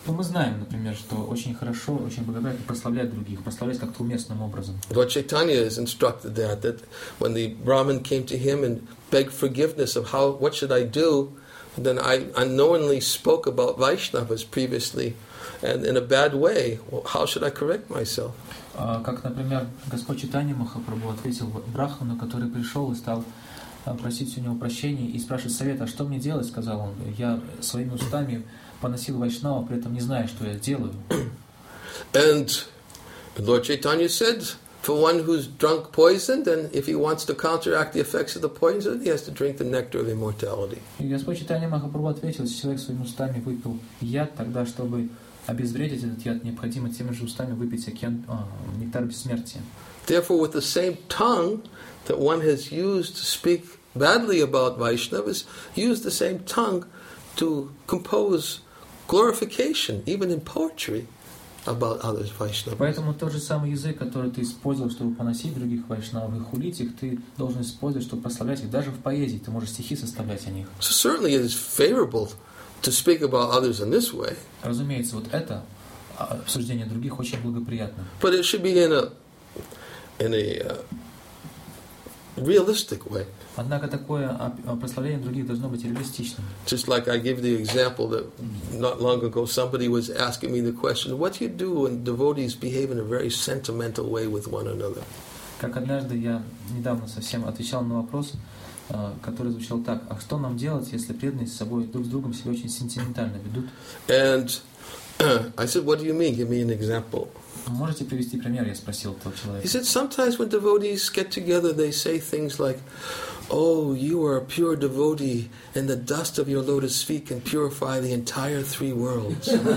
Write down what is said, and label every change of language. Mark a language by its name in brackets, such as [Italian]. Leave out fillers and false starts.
[Russian] Но мы знаем, например, что очень хорошо, очень благоприятно прославлять других, прославлять как-то уместным образом. [English] Lord Chaitanya is instructed that when the Brahmin came to him and begged forgiveness of what should I do, then I unknowingly spoke about Vaishnavas previously. And in a bad way, how should I correct myself? [Russian] Как, например, Господь Чайтанья Махапрабху ответил Брахману, который пришел и стал просить у него прощения и спрашивать совета, что мне делать, сказал он. Я своими устами поносил вайшнава, при этом не зная, что я делаю. [English] And Lord Chaitanya said, for one who's drunk poison, then if he wants to counteract the effects of the poison, he has to drink the nectar of immortality. [Russian] И Господь Чайтанья Махапрабху ответил, если человек своими устами выпил яд, тогда чтобы обезвредить этот яд, необходимо теми же устами выпить нектар бессмертия. [English] Therefore, with the same tongue that one has used to speak badly about Vaishnavas, use the same tongue to compose glorification, even in poetry, about others Vaishnavas. [Russian] Поэтому тот же самый язык, который ты использовал, чтобы поносить других вайшнавов и хулить их, ты должен использовать, чтобы прославлять их. Даже в поэзии ты можешь стихи составлять о них. [English] So certainly it is favorable to speak about others in this way. [Russian] Разумеется, вот это обсуждение других очень благоприятно. [English] But it should be in a realistic way. [Russian] Однако такое прославление других должно быть реалистичным. [English] Just like I gave the example that not long ago somebody was asking me the question, what do you do when devotees behave in a very sentimental way with one another? [Russian] Как однажды я недавно совсем отвечал на вопрос, который звучал так: а что нам делать, если преданные с собой друг с другом себя очень сентиментально ведут? [English] And I said, what do you mean? Give me an example. [Russian] Можете привести пример? Я спросил этого человека. [English] He said, sometimes when devotees get together, they say things like, oh, you are a pure devotee, and the dust of your lotus feet can purify the entire three worlds.